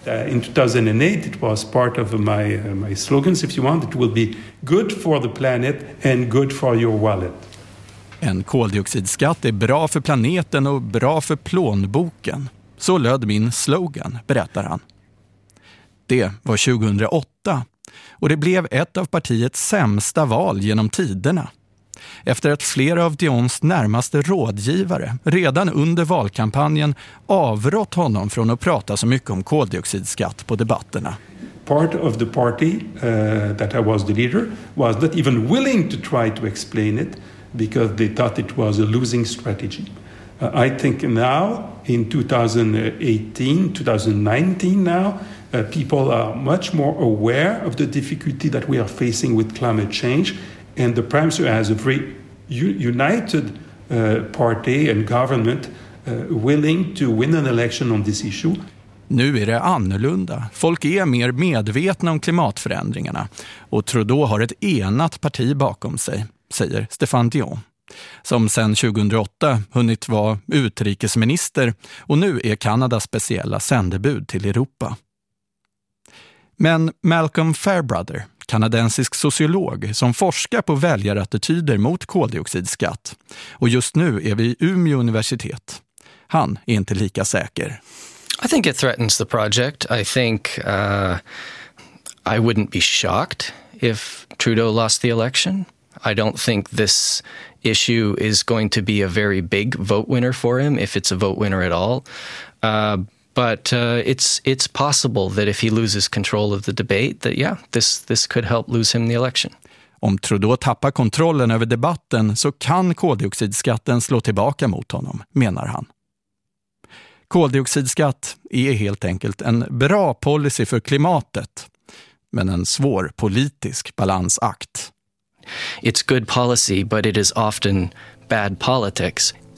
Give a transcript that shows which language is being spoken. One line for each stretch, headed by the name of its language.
English: In 2008 it was part of my slogans, if you want. It will be good for the planet and good for your wallet.
Swedish: En koldioxidskatt är bra för planeten och bra för plånboken. Så löd min slogan, berättar han. Det var 2008 och det blev ett av partiets sämsta val genom tiderna. Efter att flera av Dions närmaste rådgivare redan under valkampanjen avrått honom från att prata så mycket om koldioxidskatt på debatterna.
English: Part of the party that I was the leader was not even willing to try to explain it. Because they thought it was a losing strategy. I think now, in 2018, 2019 now, people are much more aware of the difficulty that we are facing with climate change. And the Prime Minister has a very united party and government willing to win an election on this issue.
Swedish: Nu är det annorlunda. Folk är mer medvetna om klimatförändringarna. Och Trudeau har ett enat parti bakom sig. Säger Stéphane Dion, som sedan 2008 hunnit vara utrikesminister och nu är Kanadas speciella sändebud till Europa. Men Malcolm Fairbrother, kanadensisk sociolog som forskar på väljarattityder mot koldioxidskatt och just nu är vid Umeå universitet, han är inte lika säker.
English: I think it threatens the project. I think I wouldn't be shocked if Trudeau lost the election. I don't think this issue is going to be a very big vote winner for him, if it's a vote winner at all. But it's possible that if he loses control of the debate, that yeah, this could help lose him the election.
Swedish: Om Trudeau tappar kontrollen över debatten så kan koldioxidskatten slå tillbaka mot honom, menar han. Koldioxidskatt är helt enkelt en bra policy för klimatet, men en svår politisk balansakt.
English: It's good policy, but it is often bad politics.